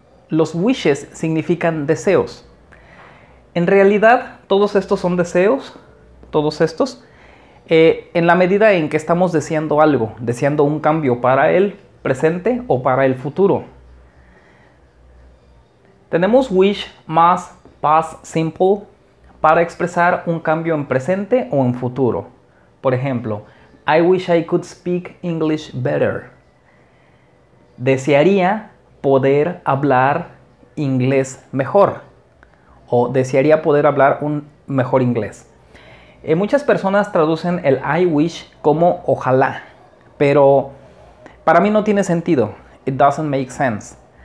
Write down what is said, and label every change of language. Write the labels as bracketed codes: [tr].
[es] Los wishes significan deseos. En realidad todos estos son deseos, todos estos, en la medida en que estamos deseando algo, deseando un cambio para el presente o para el futuro. Tenemos wish más past simple para expresar un cambio en presente o en futuro. Por ejemplo, [en] I wish I could speak English better. [es] Desearía poder hablar inglés mejor. O desearía poder hablar un mejor inglés. Muchas personas traducen el [en] I wish [es] como ojalá. Pero para mí no tiene sentido. [en] It doesn't make sense.